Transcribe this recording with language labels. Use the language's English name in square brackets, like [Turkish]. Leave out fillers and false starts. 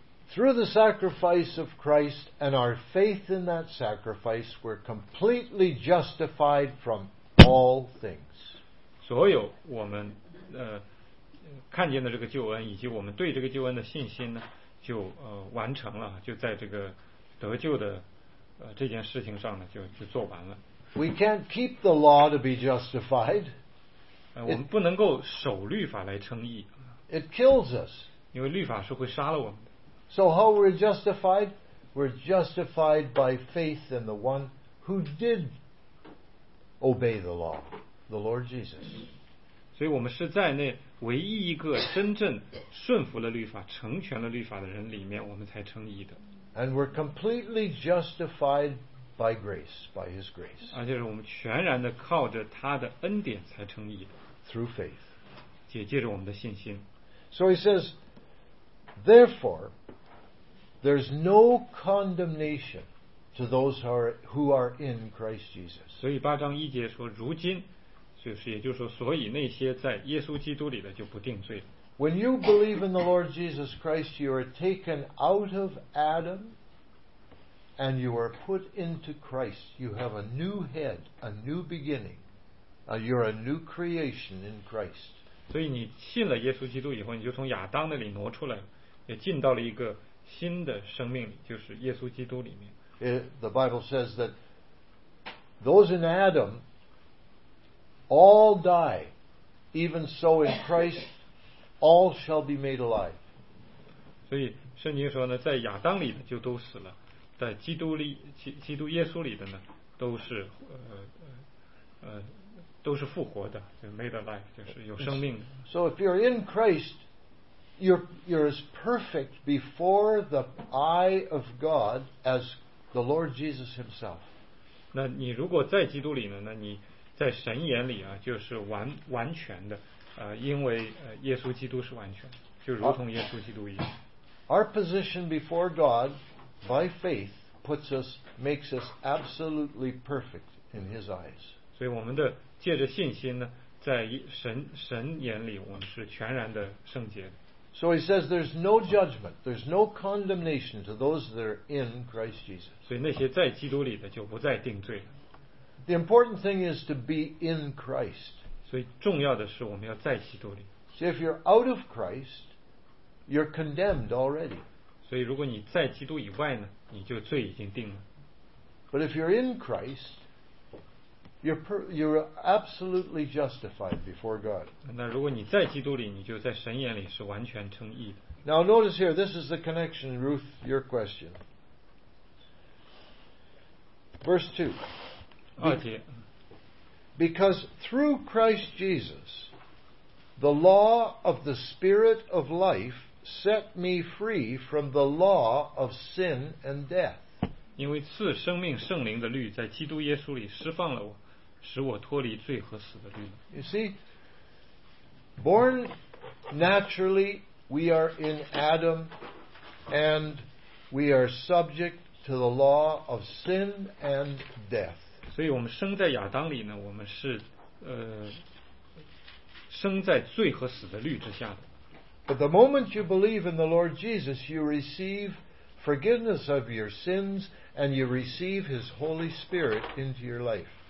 [English] Through the sacrifice of Christ and our faith in that sacrifice, we're completely justified from all things. [Chinese] 所有我们看见的这个救恩，以及我们对这个救恩的信心呢，就完成了，就在这个得救的这件事情上呢，就做完了。 [English] We can't keep the law to be justified. [Chinese] 我们不能够守律法来称义。 [English] It kills us. [Chinese] 因为律法是会杀了我们。 [English] So how we're justified? We're justified by faith in the one who did obey the law, the Lord Jesus. [Chinese] 所以我们是在那唯一一个真正顺服了律法、成全了律法的人里面，我们才称义的。 [English] And we're completely justified by grace, by His grace. [Chinese] 而且是我们全然的靠着他的恩典才称义的。 [English] Through faith. [Chinese] 也借着我们的信心。 [English] So he says, therefore,There's no condemnation to those who are in Christ Jesus. [Chinese] 所以八章一节说，如今，就是也就是说，所以那些在耶稣基督里的就不定罪。 [English] When you believe in the Lord Jesus Christ, you are taken out of Adam, and you are put into Christ. You have a new head, a new beginning. You're a new creation in Christ. [Chinese] 所以你信了耶稣基督以后，你就从亚当那里挪出来，也进到了一个。新的生命就是耶稣基督里面。 [English] The Bible says that those in Adam all die, even so in Christ all shall be made alive. [Chinese] 所以圣经说呢，在亚当里的就都死了，在基督里基督耶稣里的呢，都是复活的，就 [English] made alive， [Chinese] 就是有生命的。 [English] So if you're in Christ. You're as perfect before the eye of God as the Lord Jesus Himself. [Chinese] 那你如果在基督里呢？那你在神眼里啊，就是完全的，因为耶稣基督是完全，就如同耶稣基督一样。 [English] Our position before God by faith puts us, makes us absolutely perfect in His eyes. [Chinese] 所以我们的借着信心呢，在神眼里，我们是全然的圣洁的。 [English] So he says there's no judgment, there's no condemnation to those that are in Christ Jesus. [Chinese] 所以那些在基督里的就不再定罪了。 [English] The important thing is to be in Christ. [Chinese] 所以重要的是我们要在基督里。 [English] So if you're out of Christ, you're condemned already. [Chinese] 所以如果你在基督以外呢，你就罪已经定了。 [English] But if you're in Christ, you're absolutely justified before God. [Chinese] 那如果你在基督里，你就在神眼里是完全称义的。 [English] Now notice here, this is the connection, Ruth, your question. Verse 2. Because through Christ Jesus, the law of the Spirit of life set me free from the law of sin and death. [Chinese] 因为赐生命圣灵的律在基督耶稣里释放了我，使我脱离罪和死的律。 [English] You see, born naturally, we are in Adam, and we are subject to the law of sin and death. [Chinese] 所以我们生在亚当里呢，我们是生在罪和死的律之下的。 [English] But the moment you believe in the Lord Jesus, you receive forgiveness of your sins, and you receive His Holy Spirit into your life.